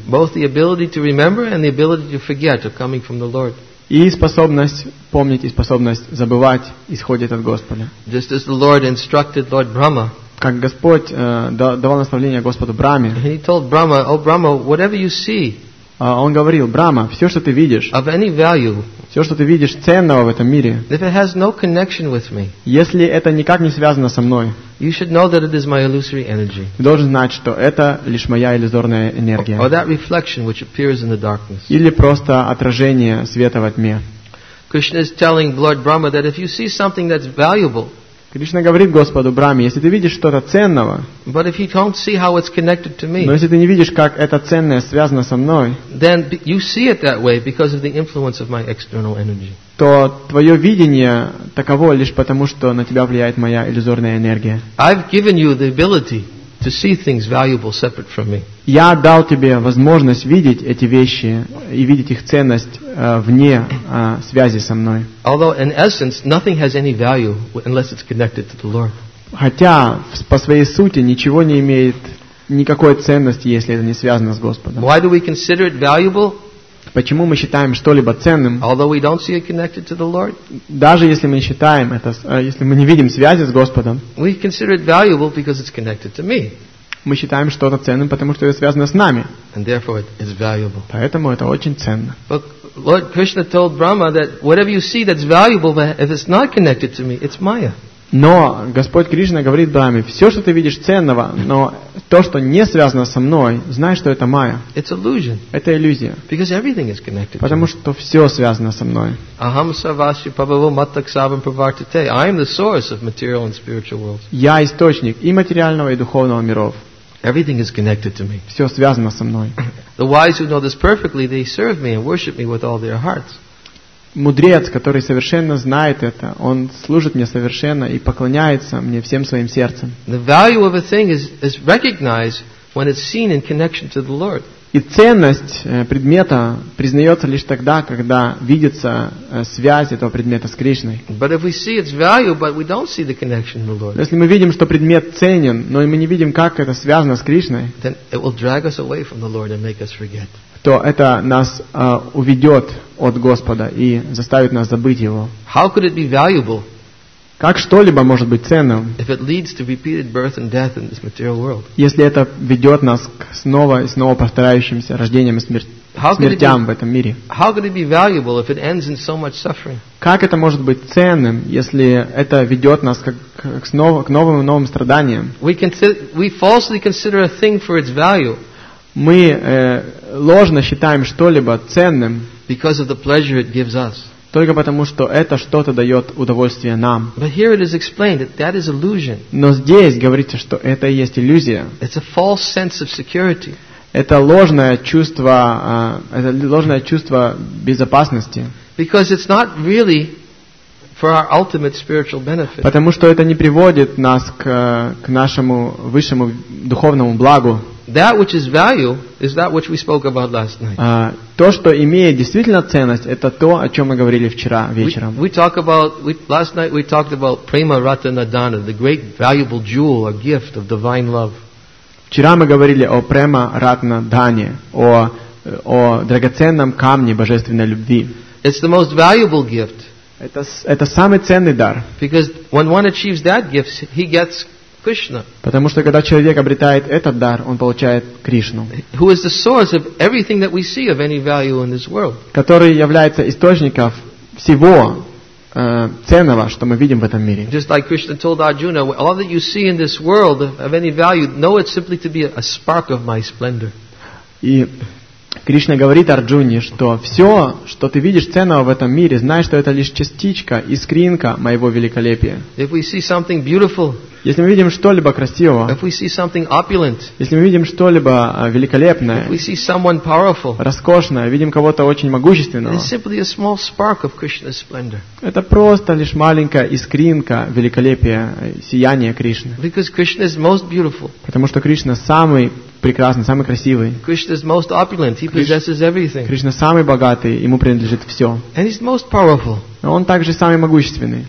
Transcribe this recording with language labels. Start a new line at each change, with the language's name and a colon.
English: Both the ability to remember and the ability to forget are coming from the Lord.
Russian: И способность помнить и способность забывать исходит от Господа.
English: Just as the Lord instructed Lord Brahma.
Russian: Как Господь давал наставление Господу Брахме.
English: He told Brahma, "O Brahma, whatever you see."
Russian: Он говорил: "Брахма, все, что ты видишь,
English: of any value,
Russian: все, что ты видишь ценного в этом мире,
English: if it has no connection with me,
Russian: если это никак не связано со мной,
English: you should know that it is my illusory energy.
Russian: Ты должен знать, что это лишь моя иллюзорная энергия.
English: Or that reflection which appears in the darkness.
Russian: Или просто отражение света во тьме.
English: Krishna is telling Lord Brahma that if you see something that's valuable,
Russian: Кришна говорит Господу Брахме, если ты видишь что-то ценного,
English: but if you don't see how it's connected to me,
Russian: но если ты не видишь, как это ценное связано со мной,
English: then you see it that way because of the influence of my external energy.
Russian: То твое видение таково лишь потому, что на тебя влияет моя иллюзорная энергия.
English: I've given you the ability to see things valuable separate from me.
Russian: Я дал тебе возможность видеть эти вещи и видеть их ценность вне связи со мной.
English: Although in essence nothing has any value unless it's connected to the Lord.
Russian: Хотя по своей сути ничего не имеет никакой ценности, если это не связано с Господом.
English: Why do we consider it valuable?
Russian: Почему мы считаем что-либо ценным?
English: Although we don't see it connected to the Lord,
Russian: даже если мы считаем это, если мы не видим связи с Господом,
English: we consider it valuable because it's connected to me.
Russian: Мы считаем что-то ценным, потому что это связано с нами.
English: And therefore it is valuable.
Russian: Поэтому это очень ценно.
English: But Lord Krishna told Brahma that whatever you see that's valuable, but if it's not connected to me, it's Maya.
Russian: Но Господь Кришна говорит Брахме, все, что ты видишь ценного, но то, что не связано со мной, знай, что это майя.
English: It's illusion.
Russian: Это иллюзия.
English: Because everything is connected.
Russian: Потому что все связано со мной.
Sanskrit: Aham sarvasya prabhavo mattaksavam pravartate.
English: I am the source of material and spiritual worlds.
Russian: Я источник и материального, и духовного миров.
English: Everything is connected to me.
Russian: Все связано со мной.
English: The wise who know this perfectly, they serve me and worship me with all their hearts.
Russian: Мудрец, который совершенно знает это, он служит мне совершенно и поклоняется мне всем своим сердцем.
English: The value of a thing is recognized when it's seen in connection to the Lord.
Russian: И ценность предмета признается лишь тогда, когда видится связь этого предмета с Кришной.
English: But if we see its value, but we don't see the connection to the Lord.
Russian: Если мы видим, что предмет ценен, но мы не видим, как это связано с Кришной,
English: then it will drag us away from the Lord and make us forget.
Russian: То это нас уведет от Господа и заставит нас забыть Его.
English: How could it be valuable?
Russian: Как что-либо может быть ценным,
English: if it leads to repeated birth and death in this material world?
Russian: Если это ведет нас к снова и снова повторяющимся рождениям и смертям в этом мире?
English: How could it be valuable if it ends in so much suffering?
Russian: Как это может быть ценным, если это ведет нас к новым и новым страданиям?
English: We falsely consider a thing for its value.
Russian: Мы ложно считаем что-либо ценным
English: because of the pleasure it gives us.
Russian: Только потому, что это что-то дает удовольствие нам.
English: But here it is explained that that is illusion.
Russian: Но здесь говорится, что это и есть иллюзия.
English: It's a false sense of security.
Russian: Это ложное чувство безопасности.
English: Because it's not really for our ultimate spiritual benefit.
Russian: Потому что это не приводит нас к нашему высшему духовному благу.
English: That which is value is that which we spoke about last night.
Russian: То, что имеет действительно ценность, это то, о чем мы говорили вчера вечером.
English: Last night we talked about Prema Ratana Dana, the great valuable jewel, a gift of divine love.
Russian: Вчера мы говорили о Prema Ratana Dana, о драгоценном камне божественной любви.
English: It's the most valuable gift.
Russian: Это самый ценный дар.
English: Because when one achieves that gift, he gets Krishna.
Russian: Потому что когда человек обретает этот дар, он получает Кришну.
English: Who is the source of everything that we see of any value in this world?
Russian: Который является источником всего ценного, что мы видим в этом мире.
English: Just like Krishna told Arjuna, all that you see in this world of any value, know it simply to be a spark of my splendor.
Russian: И Кришна говорит Арджуне, что все, что ты видишь ценного в этом мире, знай, что это лишь частичка, искринка моего великолепия.
English: If we see something beautiful,
Russian: если мы видим что-либо красивого,
English: if we see something opulent,
Russian: если мы видим что-либо великолепное,
English: if we see someone powerful,
Russian: роскошное, видим кого-то очень могущественного,
English: it's simply a small spark of Krishna's splendor.
Russian: Это просто лишь маленькая искринка великолепия, сияния Кришны.
English: Because Krishna is most beautiful.
Russian: Потому что Кришна самый прекрасный, самый красивый.
English: Krishna is most opulent. He possesses everything.
Russian: Кришна самый богатый, ему принадлежит все.
English: And he's most powerful.
Russian: Но он также самый могущественный.